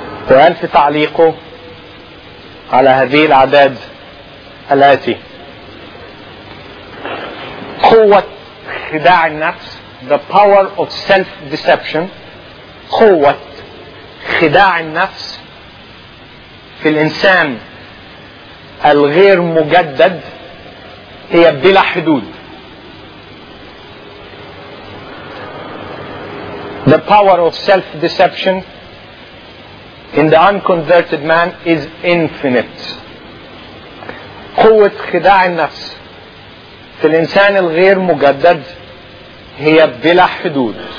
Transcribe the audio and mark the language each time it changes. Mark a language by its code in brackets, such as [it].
[ar] وقال في تعليقه على هذه الأعداد الآتي: قوة خداع النفس، [en] the power of self-deception، [ar] قوة خداع النفس في الإنسان الغير مجدد هي بلا حدود. [en] The power of self-deception in the unconverted man is infinite. [ar] قوة خداع النفس في الإنسان الغير مجدد هي بلا حدود.